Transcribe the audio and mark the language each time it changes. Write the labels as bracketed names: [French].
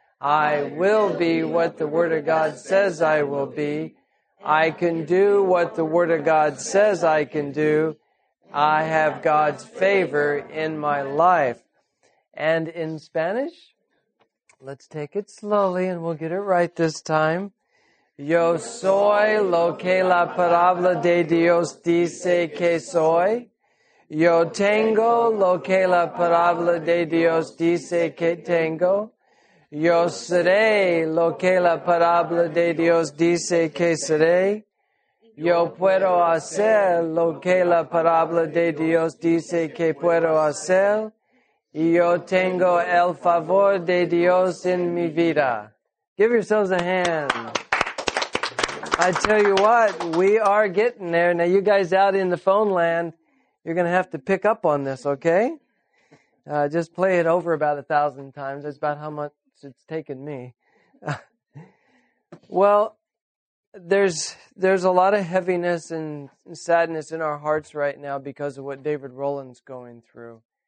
[English] I will be what the Word of God says I will be. I can do what the Word of God says I can do. I have God's favor in my life. And in Spanish? Let's take it slowly, and we'll get it right this time. [Spanish] Yo soy lo que la palabra de Dios dice que soy. Yo tengo lo que la palabra de Dios dice que tengo. Yo seré lo que la palabra de Dios dice que seré. Yo puedo hacer lo que la palabra de Dios dice que puedo hacer. Y yo tengo el favor de Dios en mi vida. [English] Give yourselves a hand. I tell you what, we are getting there. Now, you guys out in the phone land, you're going to have to pick up on this, okay? Just play it over about 1,000 times. That's about how much it's taken me. Well, there's a lot of heaviness and sadness in our hearts right now because of what David Roland's going through.